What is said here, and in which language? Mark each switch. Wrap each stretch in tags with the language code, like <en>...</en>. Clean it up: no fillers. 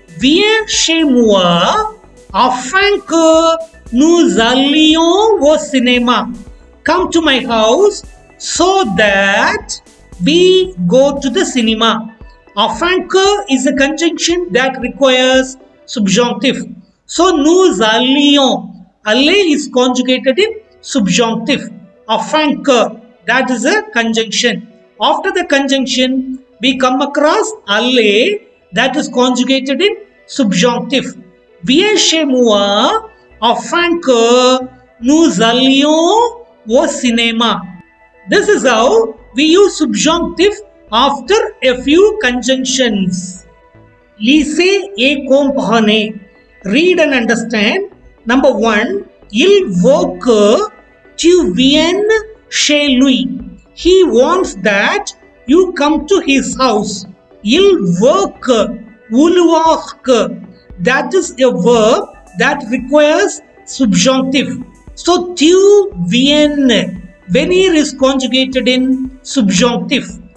<fr>Viens chez moi afin que nous allions au cinéma.</fr> <en>Come to my house so that we go to the cinema. Afin que is a conjunction that requires subjunctive. So</en> <fr>nous allions.</fr> <en>Aller is conjugated in subjunctive. Afin que, that is a conjunction. After the conjunction, we come across aller that is conjugated in subjunctive.</en> <fr>Viens chez moi afin que nous allions au cinéma.</fr> <en>This is how we use subjunctive after a few conjunctions.</en> <fr>Lisez et comprenez.</fr> <en>Read and understand. Number one,</en> <fr>il veut que tu viennes chez lui.</fr> <en>He wants that you come to his house.</en> <fr>Il veut vouloir que.</fr> <en>That is a verb that requires subjunctive. So,</en> <fr>tu viennes.</fr> <en>Venir is conjugated in subjunctive.</en>